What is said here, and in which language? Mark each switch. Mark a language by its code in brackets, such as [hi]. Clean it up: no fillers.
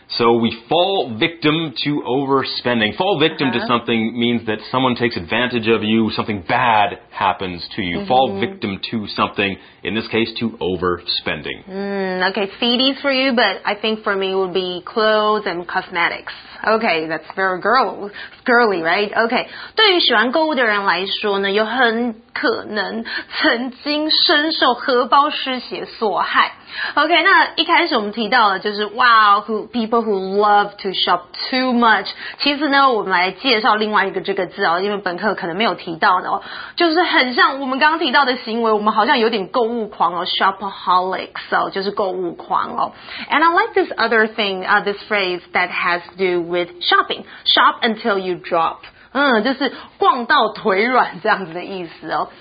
[en] So we fall victim to overspending. Fall victim to something means that someone takes advantage of you, something bad happens to you. Mm-hmm. Fall victim to something, in this case, to overspending. Okay, CDs for you, but I think for me it would be clothes and cosmetics. Okay, that's very girly, right? [zh] Okay, 对于喜欢购物的人来说呢，有很可能曾经深受荷包失血所害。 Okay, 那一开始我们提到了就是 [en] people who love to shop too much. [zh] 其实呢，我们来介绍另外一个这个字哦，因为本课可能没有提到的哦，就是很像我们刚刚提到的行为，我们好像有点购物狂哦 ，shopaholics 哦，就是购物狂哦。 [en] And I like this other thing, this phrase that has to do with shopping. Shop until you drop. [zh] 就是逛到腿软这样子的意思哦。